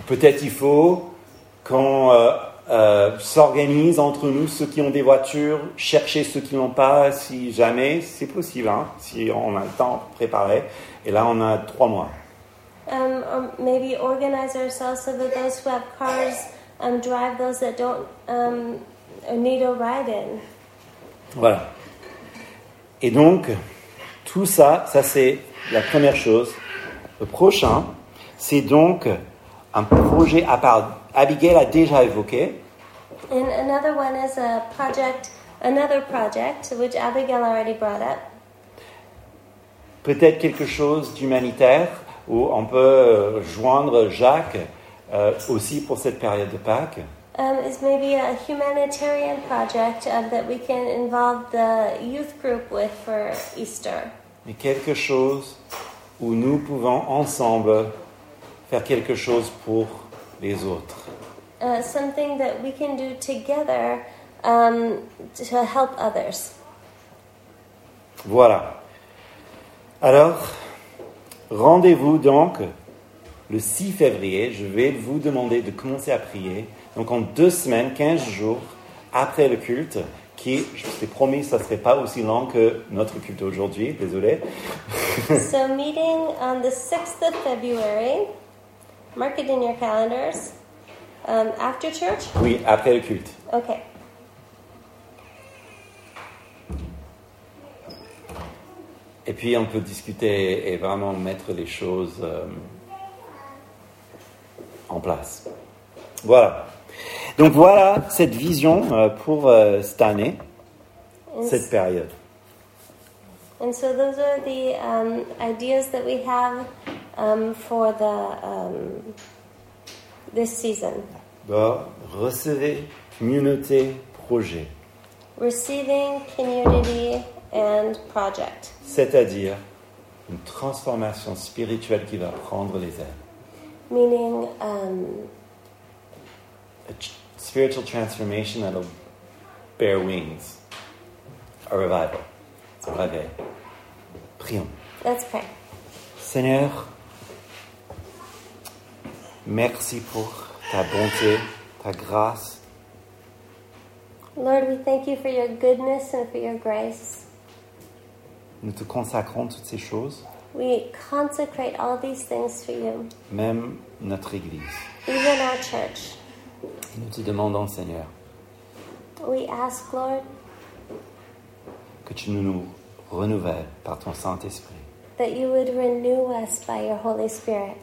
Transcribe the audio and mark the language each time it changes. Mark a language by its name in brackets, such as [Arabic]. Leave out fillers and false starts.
[French] Peut-être il faut qu'on s'organise entre nous, ceux qui ont des voitures, chercher ceux qui n'ont pas, si jamais c'est possible, hein, si on a le temps de préparer. Et là, on a 3 mois. [English] Maybe organize ourselves so that those who have cars drive those that don't need a ride in. [French] Voilà. Et donc, tout ça, ça c'est la première chose. Le prochain, c'est donc un projet à part. Abigail a déjà évoqué. [English] And another one is a project, another project, which Abigail already brought up. [French] Peut-être quelque chose d'humanitaire où on peut joindre Jacques aussi pour cette période de Pâques. [English] Is maybe a humanitarian project that we can involve the youth group with for Easter. [French] Mais quelque chose où nous pouvons ensemble faire quelque chose pour les autres. [English] Something that we can do together to help others. [French] Voilà. Alors, rendez-vous donc le 6 février. Je vais vous demander de commencer à prier. Donc en 2 semaines, 15 jours après le culte, qui, je vous ai promis, ça ne serait pas aussi long que notre culte aujourd'hui. Désolé. [English] So meeting on the 6th of February. Mark it in your calendars. After church? [French] Oui, après le culte. [English] Ok. [French] Et puis on peut discuter et vraiment mettre les choses en place. Voilà. Donc voilà cette vision pour cette année, cette période. [English] And so those are the ideas that we have for the this season. [French] Bon, recevez, communauté, projet. [English] Receiving, community, and project. [French] C'est-à-dire une transformation spirituelle qui va prendre les ailes. [English] Meaning, a spiritual transformation that'll bear wings. A revival. [French] Un réveil. Prions. [English] Let's pray. [French] Seigneur, merci pour ta bonté. Ta grâce. [English] Lord, we thank you for your goodness and for your grace. [French] Nous te consacrons toutes ces choses. [English] We consecrate all these things for you. [French] Même notre église. [English] Even our church. [French] Nous te demandons, Seigneur. [English] We ask, Lord, [French] que tu nous renouvelles par ton Saint-Esprit. [English] That you would renew us by your Holy Spirit.